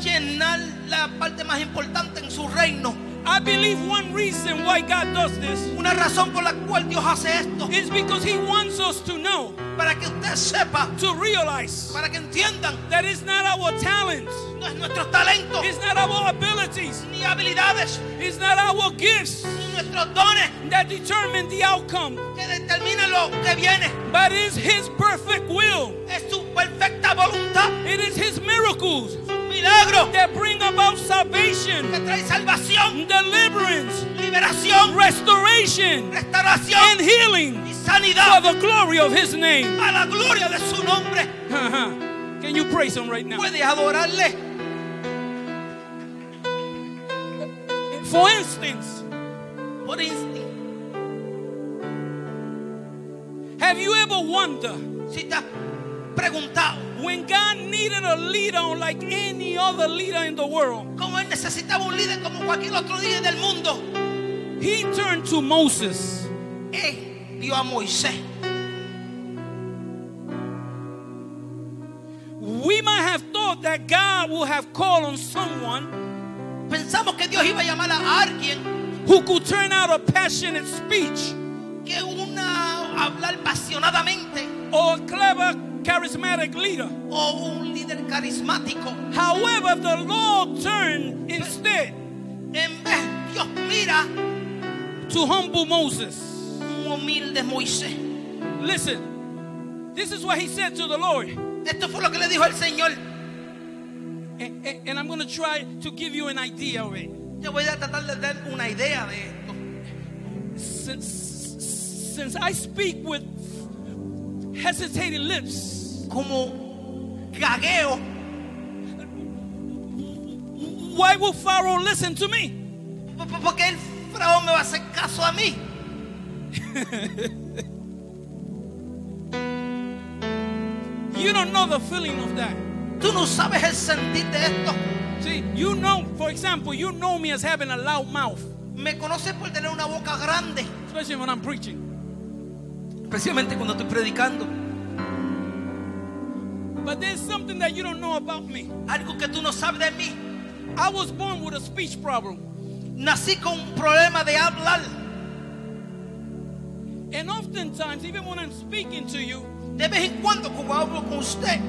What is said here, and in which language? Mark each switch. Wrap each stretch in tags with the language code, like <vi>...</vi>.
<es>llenar la parte más importante en su reino.</es> <en>I believe one reason why God does this,</en> <es>una razón por la cual Dios hace esto,</es> <en>is because he wants us to know,</en> <es>para que usted sepa,</es> <en>to realize,</en> <es>para que entiendan,</es> <en>that it's not our talents,</en> <es>no es nuestro talento,</es> <en>it's not our abilities,</en> <es>ni habilidades,</es> <en>it's not our gifts,</en> <es>ni nuestros dones,</es> <en>that determine the outcome,</en> <es>que determina lo que viene,</es> <en>but it's his perfect will,</en> <es>es su perfecta voluntad,</es> <en>it is his miracles,</en> <es>milagro,</es> <en>that bring about salvation,</en> <es>que trae salvación,</es> <en>deliverance,</en> <es>liberación,</es> <en>restoration,</en> <es>restauración,</es> <en>and healing,</en> <es>y sanidad,</es> <en>for the glory of his name,</en> <es>a la gloria de su nombre.</es> <en>Can you praise him right now?</en> <es>¿Puede adorarle?</es> <en>For instance, what is it? Have you ever wondered,</en> <es>si te has preguntado,</es> <en>when God needed a leader like any other leader in the world,</en> <es>como él necesitaba un líder como cualquier otro líder del mundo,</es> <en>he turned to Moses.</en> <es>Él vio a Moisés.</es> <en>We might have thought that God would have called on someone,</en> <es>pensamos que Dios iba a llamar a alguien,</es> <en>who could turn out a passionate speech,</en> <es>que una hablar apasionadamente,</es> <en>or a clever charismatic leader,</en> <es>o un líder carismático.</es> <en>However, the Lord turned instead,</en> <es>en vez Dios mira,</es> <en>to humble Moses,</en> <es>un humilde Moisés.</es> <en>Listen, this is what he said to the Lord.</en> <es>Esto fue lo que le dijo el Señor.</es> <en>And I'm going to try to give you an idea of it.</en> <es>Te voy a tratar de dar una idea de esto.</es> <en>Since I speak with hesitating lips,</en> <es>como gagueo,</es> <en>why will Pharaoh listen to me?</en> <es>Porque el faraón me va a hacer caso a mí.</es> <en>You don't know the feeling of that.</en> <es>Tú no sabes el sentir de esto.</es> <en>See, you know, for example, you know me as having a loud mouth.</en> <es>Me conoces por tener una boca grande.</es> <en>Especially when I'm preaching.</en> <es>Especialmente cuando estoy predicando.</es> <en>But there's something that you don't know about me.</en> <es>Algo que tú no sabes de mí.</es> <en>I was born with a speech problem.</en> <es>Nací con un problema de hablar.</es> <en>And oftentimes, even when I'm speaking to you,</en> <es>de vez en cuando como hablo con usted,</es>